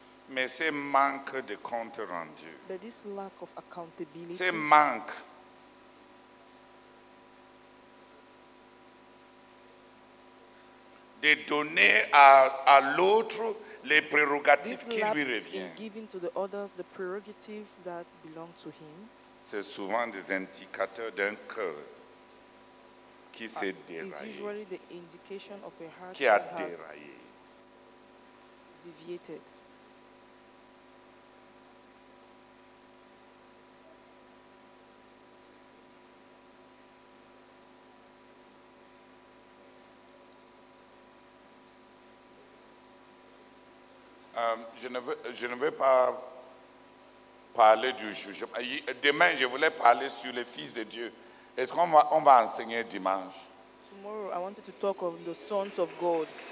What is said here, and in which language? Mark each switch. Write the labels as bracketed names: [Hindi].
[French] Mais ce manque de compte rendu, [English] but this lack of accountability, [French] ce manque de donner à l'autre les prérogatives qui lui reviennent, [English] giving to the others the prerogative that belong to him, [French] c'est souvent des indicateurs d'un cœur qui s'est déraillé, [English] is usually the indication of a heart [French] qui a déraillé, [English] deviated. [French] Je ne veux pas parler du jugement. Demain, je voulais parler sur les fils de Dieu. Est-ce qu'on va, enseigner dimanche? [English] Tomorrow, I wanted to talk of the sons of God.